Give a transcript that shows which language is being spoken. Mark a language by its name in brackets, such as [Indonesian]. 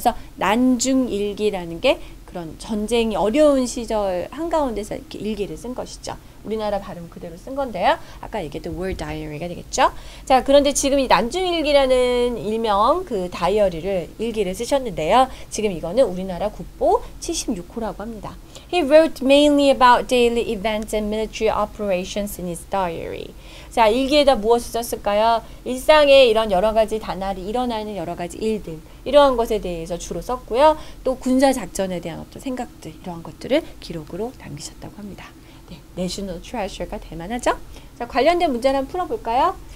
[Korean] 그래서 난중일기라는 게 그런 전쟁이 어려운 시절 한가운데서 이렇게 일기를 쓴 것이죠. 우리나라 발음 그대로 쓴 건데요. 아까 얘기했던 World Diary가 되겠죠. 자, 그런데 지금 이 난중일기라는 일명 그 다이어리를 일기를 쓰셨는데요. 지금 이거는 우리나라 국보 76호라고 합니다. [English] He wrote mainly about daily events and military operations in his diary. [Korean] 자, 일기에다 무엇을 썼을까요? 일상에 이런 여러 가지 다날이 일어나는 여러 가지 일들, 이러한 것에 대해서 주로 썼고요. 또 군사 작전에 대한 어떤 생각들, 이러한 것들을 기록으로 남기셨다고 합니다. 네, National Treasure가 될 만하죠? 자, 관련된 문제를 한번 풀어볼까요?